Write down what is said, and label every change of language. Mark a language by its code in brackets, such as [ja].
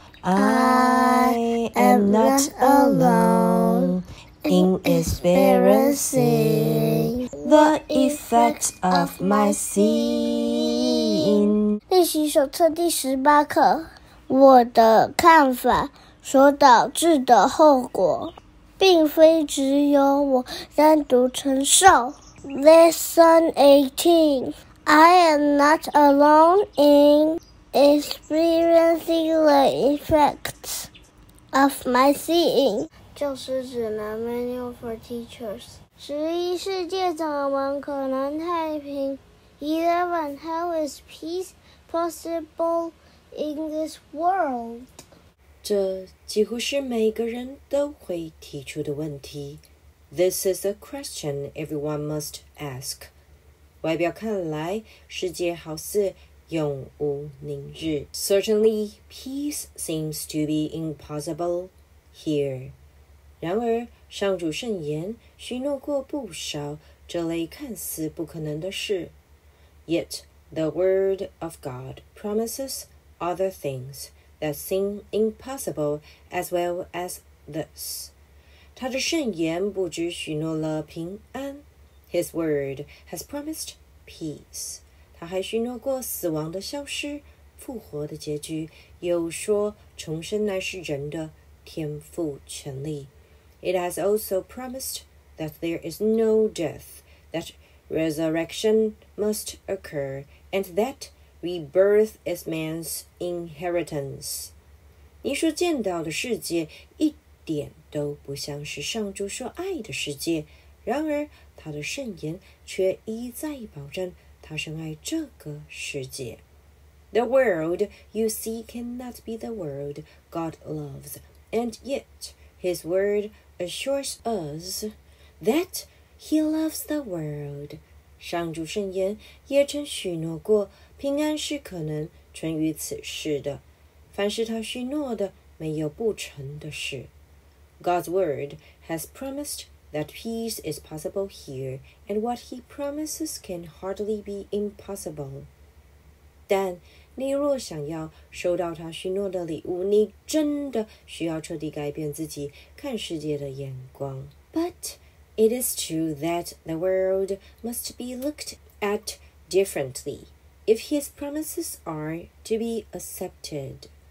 [en] I am not alone in experiencing the effect of my sin。 [zh] 练习手册第十八课，我的看法所导致的后果，并非只有我单独承受。 [en] Lesson 18. I am not alone in experiencing the effects of my seeing. [zh] 就是指南 [en] Manual for Teachers. 11. [zh] 世界怎么可能太平 ?11. [en] How is peace possible in this world? [zh] 这几乎是每个人都会提出的问题。 [en] This is a question everyone must ask. [zh] 外表看来，世界好似永无宁日。 [en] Certainly, peace seems to be impossible here. [zh] 然而，上主圣言许诺过不少这类看似不可能的事。 [en] Yet, the word of God promises other things. That seem impossible as well as this. [zh] 他的圣言不只许诺了平安。 [en] His word has promised peace. [zh] 他还许诺过死亡的消失，复活的结局，又说重生乃是人的天赋权利。 [en] It has also promised that there is no death, that resurrection must occur, and thatRebirth is man's inheritance. [zh] 你所见到的世界一点都不像是上主所爱的世界，然而他的圣言却一再保证他深爱这个世界。 [en] The world you see cannot be the world God loves, and yet his word assures us that he loves the world. [zh] 上主圣言也曾许诺过平安是可能存于此世的，凡是他许诺的，没有不成的事。 [en] God's word has promised that peace is possible here, and what he promises can hardly be impossible. [zh] 但你若想要收到他许诺的礼物，你真的需要彻底改变自己看世界的眼光。 [en] But it is true that the world must be looked at differently if his promises are to be accepted.